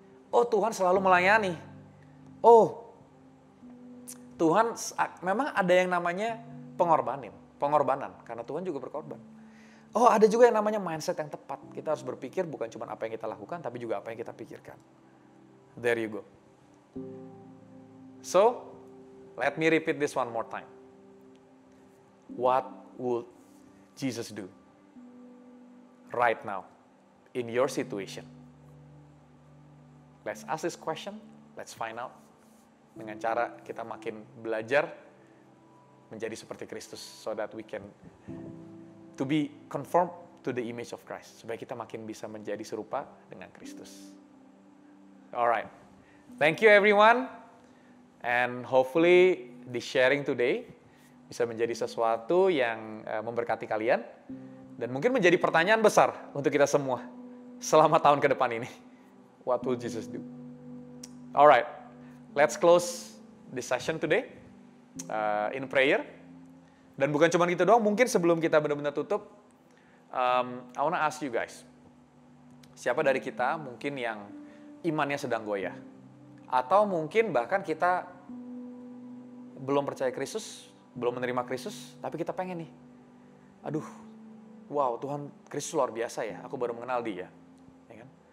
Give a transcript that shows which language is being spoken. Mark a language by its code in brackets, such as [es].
[id] Oh Tuhan selalu melayani. Oh Tuhan, memang ada yang namanya pengorbanan. Karena Tuhan juga berkorban. Oh ada juga yang namanya mindset yang tepat. Kita harus berpikir bukan cuma apa yang kita lakukan, tapi juga apa yang kita pikirkan. [en] There you go. So, let me repeat this one more time. What would Jesus do right now in your situation? Let's ask this question. Let's find out. [id] Dengan cara kita makin belajar menjadi seperti Kristus, [en] so that we can to be conformed to the image of Christ, [id] supaya kita makin bisa menjadi serupa dengan Kristus. [en] Alright, thank you everyone, and hopefully this sharing today [id] bisa menjadi sesuatu yang memberkati kalian, dan mungkin menjadi pertanyaan besar untuk kita semua selama tahun ke depan ini. [en] What will Jesus do? Alright, let's close this session today in prayer. [id] Dan bukan cuma gitu doang, mungkin sebelum kita benar-benar tutup, [en] I wanna ask you guys, [id] siapa dari kita mungkin yang imannya sedang goyah? Atau mungkin bahkan kita belum percaya Kristus, belum menerima Kristus, tapi kita pengen nih, aduh, wow, Tuhan, Kristus luar biasa ya, aku baru mengenal dia. Ya kan?